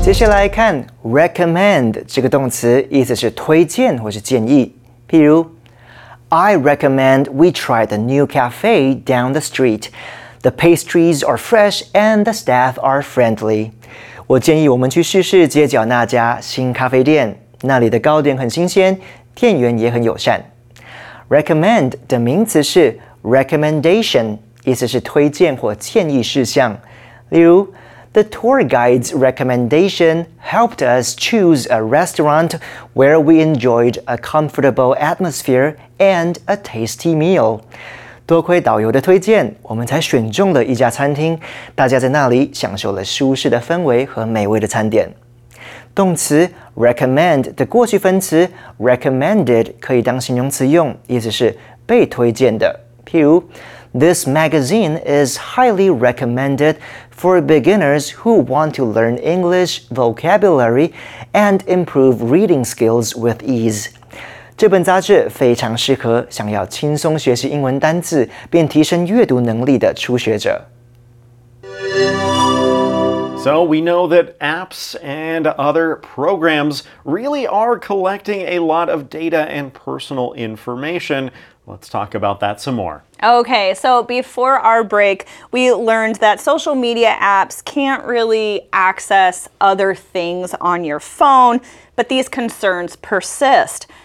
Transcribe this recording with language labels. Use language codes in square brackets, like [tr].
[zh] Recommend 这个动词意思是推荐或是建议。譬如 [en] I recommend we try the new cafe down the street. The pastries are fresh and the staff are friendly. [zh] 我建议我们去试试街角那家新咖啡店，那里的糕点很新鲜，店员也很友善。 Recommend 的名词是 recommendation， 意思是推荐或建议事项。例如 [en] The tour guide's recommendation helped us choose a restaurant where we enjoyed a comfortable atmosphere and a tasty meal. [zh] 多亏导游的推荐，我们才选中了一家餐厅，大家在那里享受了舒适的氛围和美味的餐点。动词 recommend 的过去分词 recommended 可以当形容词用，意思是被推荐的。譬如 [en] This magazine is highly recommended for beginners who want to learn English vocabulary and improve reading skills with ease. [zh] 这本杂志非常适合想要轻松学习英文单字并提升阅读能力的初学者。 [en] So we know that apps and other programs really are collecting a lot of data and personal information. Let's talk about that some more. Okay, so before our break, we learned that social media apps can't really access other things on your phone, but these concerns persist.